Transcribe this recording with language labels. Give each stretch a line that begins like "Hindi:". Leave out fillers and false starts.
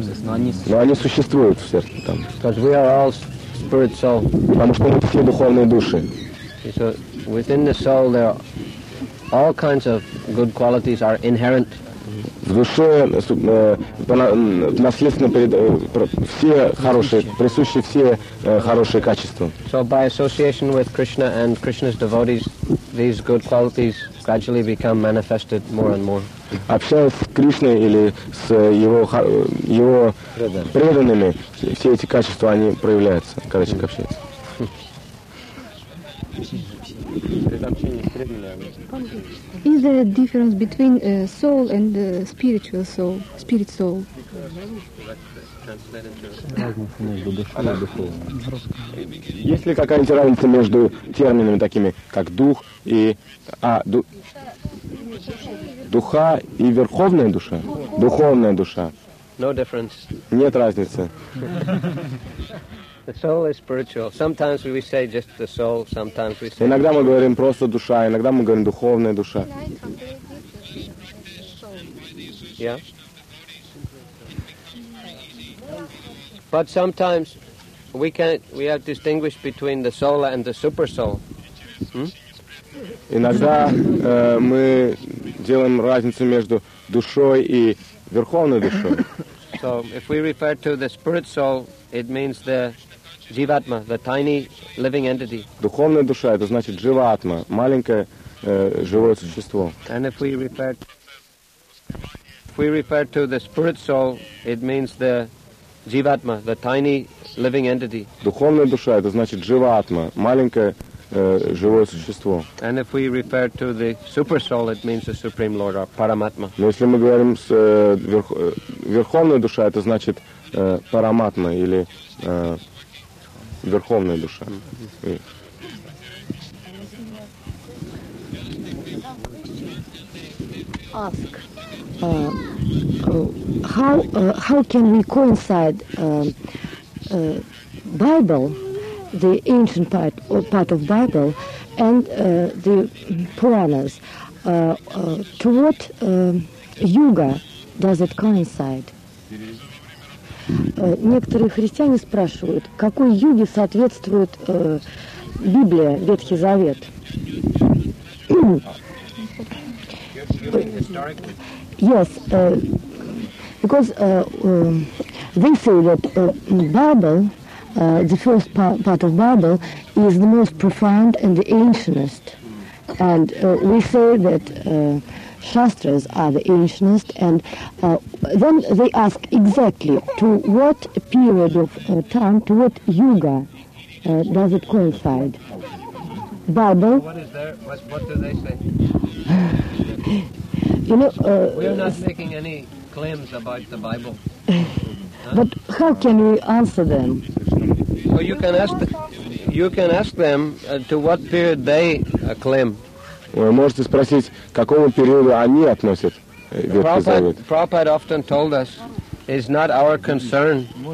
Russian: но они существуют в сердце там.
English: Because we are all spirit soul.
Russian: Потому что мы все духовные души.
English: So within the soul there are all kinds of good qualities are inherent.
Russian: В душе наследственно все хорошие, присущи все хорошие качества.
English: So by association with Krishna and Krishna's devotees, these good qualities gradually become manifested more and more.
Russian: Общаясь с Кришной или с его преданными, все эти качества, они проявляются, когда человек общается.
English: Is there a difference between soul and spiritual soul, spirit soul?
Russian: Разница между душой и духовным. Есть ли какая-нибудь разница между терминами такими, как дух и духа и верховная душа? Духовная душа.
English: No difference.
Russian: Нет разницы.
English: The soul is spiritual. Sometimes we say just the soul, sometimes we say.
Russian: Иногда мы говорим просто душа, иногда мы говорим духовная душа.
English: Yeah. But sometimes we have distinguished between the soul and the super soul.
Russian: Иногда мы делаем разницу между душой и верховной душой.
English: So if we refer to the spirit soul, it means the Jivatma, the tiny living entity.
Russian: Духовная душа — это значит Jivatma, маленькое живое существо.
English: And if we refer to the spirit soul, it means the Jivatma, the tiny living entity.
Russian: Духовная душа — это значит Jivatma, маленькое живое существо.
English: And if we refer to the super soul, it means the supreme lord or Paramatma.
Russian: Но если мы говорим с верховная душа — это значит Параматма или Верховная душа.
English: Ask how can we coincide Bible, the ancient part of Bible, and the Puranas? To what yuga does it coincide?
Russian: Некоторые христиане спрашивают, какой юге соответствует Библия, Ветхий Завет.
English: Yes, because they say that Bible, the first part of Bible, is the most profound and the ancientest. And we say that Shastras are the ancientest, and then they ask exactly to what period of time, to what yuga does it coincide? Bible. What is there? What do they say? You know. We are not making any claims about the Bible. But how can we answer them? Well, you can ask them to what period they claim.
Russian: Вы можете спросить, к какому периоду они относят Ветхий Завет.
English: Prabhupada often told us, it's not our concern.